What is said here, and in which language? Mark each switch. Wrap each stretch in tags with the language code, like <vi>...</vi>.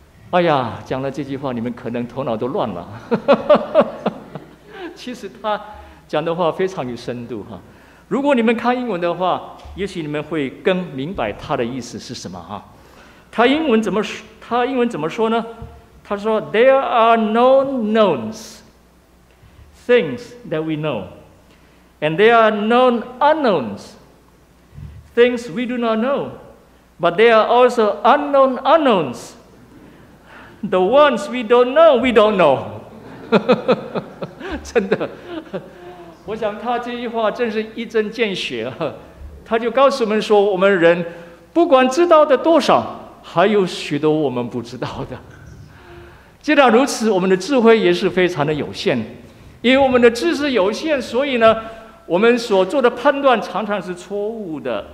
<zh>哎呀，讲了这句话你们可能头脑都乱了其实他讲的话非常有深度，如果你们看英文的话也许你们会更明白他的意思是什么。他英文怎么说呢？</zh> <en>他说 There are no knowns things that we know and there are known unknownsthings we do not know, but there are also unknown unknowns. The ones we don't know, we don't know.</en> <zh>真的，我想他这句话真是一针见血啊！他就告诉我们说，我们人不管知道的多少，还有许多我们不知道的。既然如此，我们的智慧也是非常的有限，因为我们的知识有限，所以呢，我们所做的判断常常是错误的。</zh>